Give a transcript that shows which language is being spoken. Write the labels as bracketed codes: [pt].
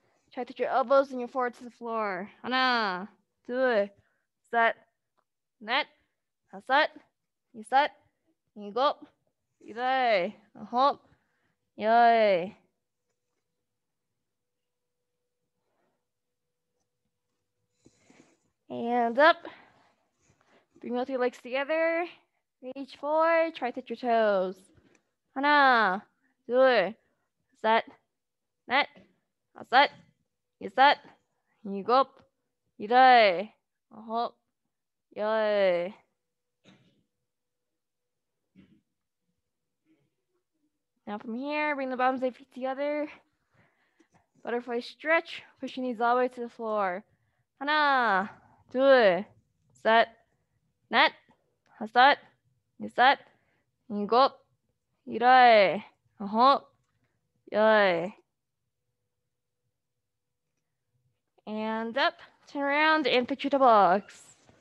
[en] Try to get your elbows and your forehead to the floor. [ko] 하나, 둘, 셋, 넷, 다섯, 여섯, 일곱, 여덟, 아홉, 열. [en] And up, bring both your legs together. Reach forward, try to touch your toes. [ko] 하나, 둘, 셋, 넷, 다섯, 여섯, 일곱, 여덟, 아홉, 열. [en] Now from here, bring the bottoms of your feet together. Butterfly stretch, push your knees all the way to the floor. [ko] 하나, 둘, 셋, 넷, 다섯, 여섯, 일곱, 여덟, 아홉, 열. [en] And up, turn around and pitch the box.